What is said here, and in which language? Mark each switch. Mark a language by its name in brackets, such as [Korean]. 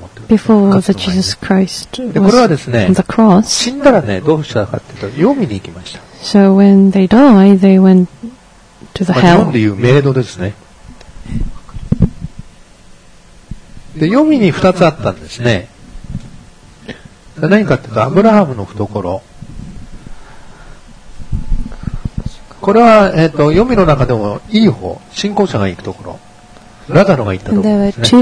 [English] Before the Jesus Christ was on the cross, [Japanese] 死んだらね、どうしたかって言ったら黄泉に行きました。 [English] So when they die, they went to the hell. [Japanese] 日本でいう冥土ですね。で、黄泉に2つあったんですね。何かって言ったらアブラハムの懐。これは黄泉の中でもいい方、信仰者が行くところ、ラザロが行ったところですね。